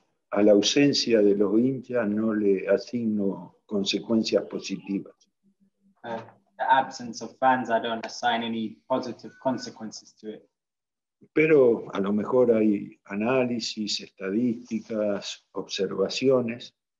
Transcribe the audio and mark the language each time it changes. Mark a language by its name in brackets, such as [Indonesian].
[Spanish] a la ausencia de los hinchas no le asigno consecuencias positivas. [English] The absence of fans, I don't assign any positive consequences to it. [Spanish] Pero a lo mejor hay análisis, estadísticas, observaciones.